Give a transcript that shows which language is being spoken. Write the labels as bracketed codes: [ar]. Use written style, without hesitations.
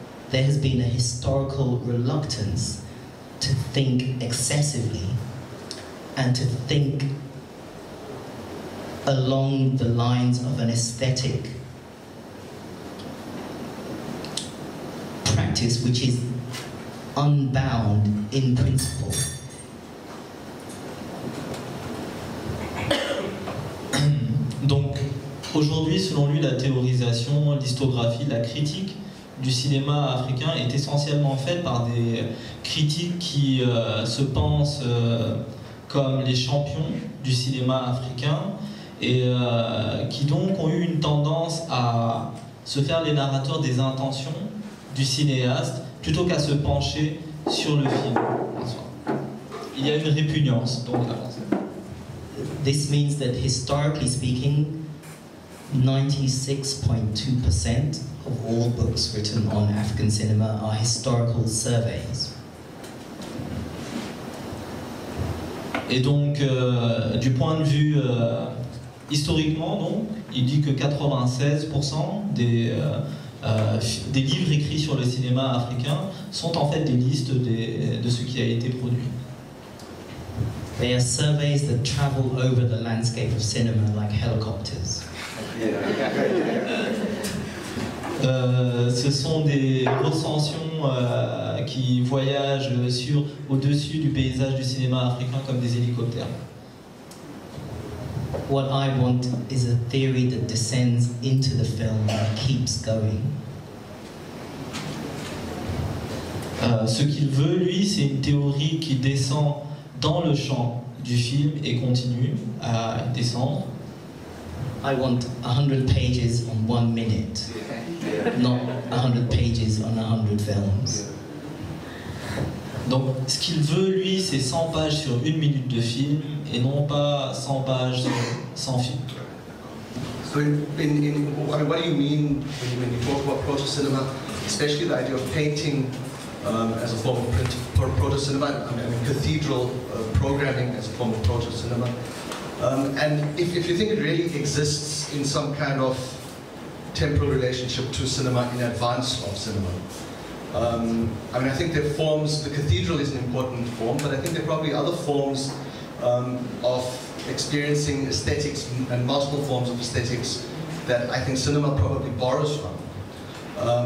[en] There has been a historical reluctance to think excessively and to think along the lines of an aesthetic practice which is unbound in principle. [fr] Donc, aujourd'hui, selon lui, la théorisation, l'historiographie, la critique du cinéma africain est essentiellement faite par des critiques qui se pensent comme les champions du cinéma africain et qui donc ont eu une tendance à se faire les narrateurs des intentions du cinéaste plutôt qu'à se pencher sur le film. Il y a une répugnance donc à penser. [en] This means that historically speaking, 96.2% of all books written on African cinema are historical surveys. [fr] Et donc, du point de vue historiquement, donc, il dit que 96% des livres écrits sur le cinéma africain sont en fait des listes de ce qui a été produit. [en] They are surveys that travel over the landscape of cinema like helicopters. [fr] Ce sont des recensions qui voyagent sur au-dessus du paysage du cinéma africain comme des hélicoptères. [en] What I want is a theory that descends into the film and keeps going. [fr] Ce qu'il veut, lui, c'est une théorie qui descend dans le champ du film et continue à descendre. [en] I want 100 pages on 1 minute, not 100 pages on 100 films. [fr] Donc, ce qu'il veut, lui, c'est 100 pages sur 1 minute de film et non pas 100 pages sur 100 films. [en] So, in what do you mean when you talk about proto-cinema, especially the idea of painting as a form of proto-cinema, I mean cathedral programming as a form of proto-cinema. And if you think it really exists in some kind of temporal relationship to cinema in advance of cinema, I mean, I think there are forms, the cathedral is an important form, but I think there are probably other forms of experiencing aesthetics and multiple forms of aesthetics that I think cinema probably borrows from.